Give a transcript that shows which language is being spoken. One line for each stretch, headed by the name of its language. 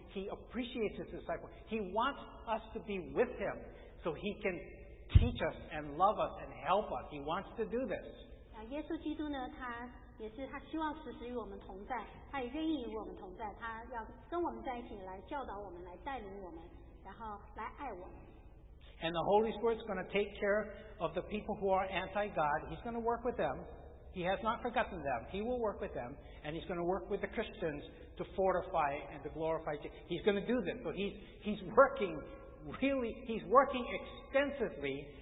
English: He appreciates His disciples. He wants us to be with Him so He can teach us and love us and help us. He wants to do this.
Chinese: 耶稣基督呢，他也是他希望时时与我们同在，他也愿意与我们同在，他要跟我们在一起来教导我们，来带领我们，然后来爱我们。
English: And the Holy Spirit's going to take care of the people who are anti-God. He's going to work with them. He has not forgotten them. He will work with them. And He's going to work with the Christians to fortify and to glorify Jesus. He's going to do this. So he's working extensively.